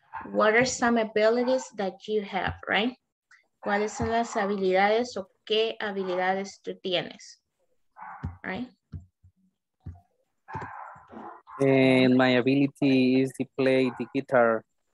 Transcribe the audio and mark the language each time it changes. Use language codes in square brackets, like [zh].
[en] What are some abilities that you have, right? [es] ¿Cuáles son las habilidades o qué habilidades tú tienes? [en] Right? And my ability is to play the guitar.